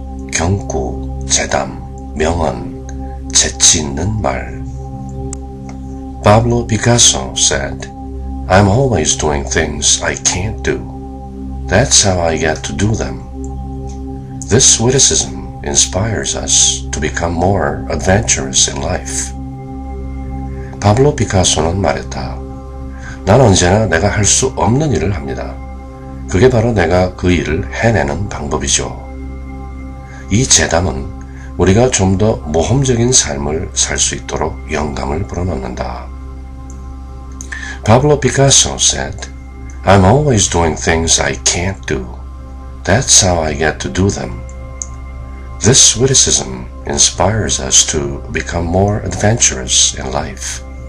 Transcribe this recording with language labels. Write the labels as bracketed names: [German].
[Korean] 경고, 재담, 명언, 재치 있는 말. [English] Pablo Picasso said, I'm always doing things I can't do. That's how I get to do them. This witticism inspires us to become more adventurous in life. [Korean] Pablo Picasso는 말했다. 난 언제나 내가 할 수 없는 일을 합니다. 그게 바로 내가 그 일을 해내는 방법이죠. 이 재담은 우리가 좀 더 모험적인 삶을 살 수 있도록 영감을 불어넣는다. [English] Pablo Picasso said, I'm always doing things I can't do. That's how I get to do them. This witticism inspires us to become more adventurous in life.